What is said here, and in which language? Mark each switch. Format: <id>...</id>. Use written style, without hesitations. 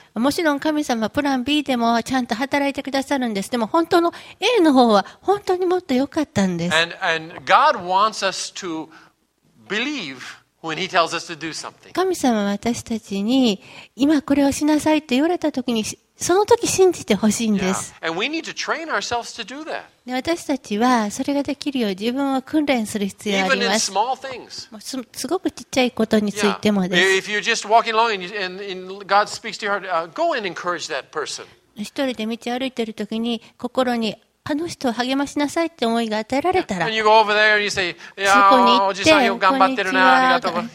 <ja>もちろん神様はプラン B でもちゃんと働いてくださるんです。でも本当の A の方は本当にもっと良かったんです。</ja> <en>And God wants us to believe when He tells us to do something.</en> <ja>神様は私たちに今これをしなさいって言われた時にその時信じてほしいんです。</ja> <en>And we need to train ourselves to do that.</en> <ja>私たちはそれができるよう自分を訓練する必要があります。</ja> <en>Even in small things.</en> <ja>すごくちっちゃいことについてもです。</ja> <en>If you're just walking along and God speaks to your heart, go and encourage that person.</en> <ja>一人で道歩いてる時に心にあの人を励ましなさいって思いが与えられたら、そこに行って、こんにちは、なんか、</ja>